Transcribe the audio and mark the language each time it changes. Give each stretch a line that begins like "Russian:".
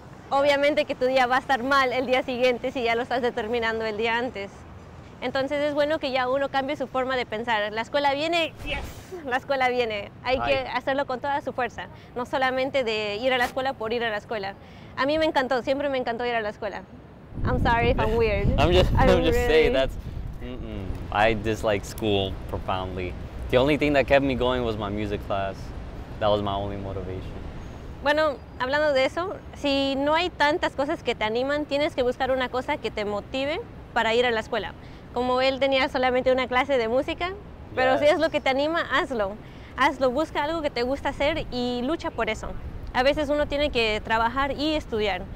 Spanish: Obviamente que tu día va a estar mal el día siguiente si ya lo estás determinando el día antes. Entonces es bueno que ya uno cambie su forma de pensar. La escuela viene, yes, la escuela viene. Hay que hacerlo con toda su fuerza, no solamente de ir a la escuela por ir a la escuela. A mí me encantó, siempre me encantó ir a la escuela.
English: I'm sorry if I'm weird. I'm just saying that's, I dislike school profoundly. The only thing that kept me going was my music class. That was my only motivation.
Spanish: Bueno, hablando de eso, si no hay tantas cosas que te animan, tienes que buscar una cosa que te motive para ir a la escuela. Como él tenía solamente una clase de música, pero yes, si es lo que te anima, hazlo. Hazlo, busca algo que te gusta hacer y lucha por eso. A veces uno tiene que trabajar y estudiar.